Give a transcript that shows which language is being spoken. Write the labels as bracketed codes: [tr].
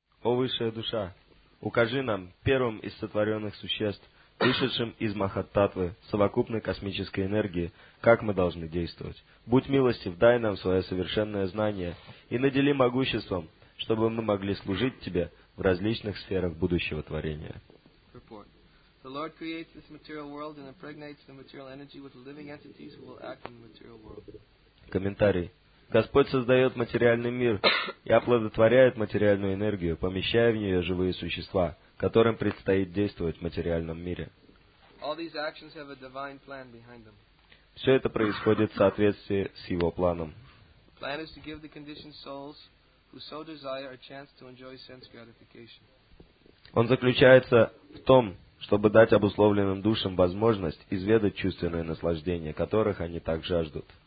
[ru] О высшая душа, укажи нам первым из сотворенных существ, вышедшим из Махаттатвы, совокупной космической энергии, как мы должны действовать. Будь милостив, дай нам свое совершенное знание и надели могуществом, чтобы мы могли служить Тебе в различных сферах будущего творения. [en] The Lord creates this material world and impregnates the material energy with the living entities who will act in the material world. [ru] Комментарий. Господь создает материальный мир и оплодотворяет материальную энергию, помещая в нее живые существа, которым предстоит действовать в материальном мире. [en] All these actions have a divine plan behind them. [ru] Все это происходит в соответствии с Его планом. [en] Plan is to give the conditioned souls who so desire a chance to enjoy sense gratification. [ru] Он заключается в том, чтобы дать обусловленным душам возможность изведать чувственное наслаждение, которых они так жаждут.